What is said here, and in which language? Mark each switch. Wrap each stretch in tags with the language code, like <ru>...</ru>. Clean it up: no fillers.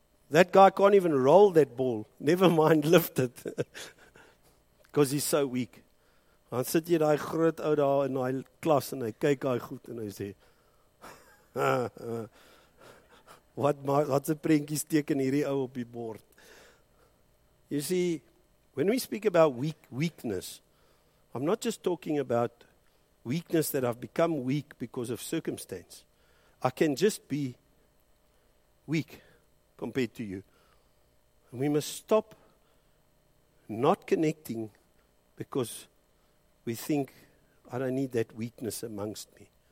<en>That guy can't even roll that ball, never mind lift it, because he's so weak.</en> <af>Dan sit jy die groot ou daar in die klas, en hy kyk hy goed, en hy sê, wat se prentjies teken hierdie ou op die bord.</af> <en>You see, when we speak about weakness, I'm not just talking about weakness that I've become weak because of circumstance. I can just be weak compared to you. And we must stop not connecting because we think, I don't need that weakness amongst me.</en>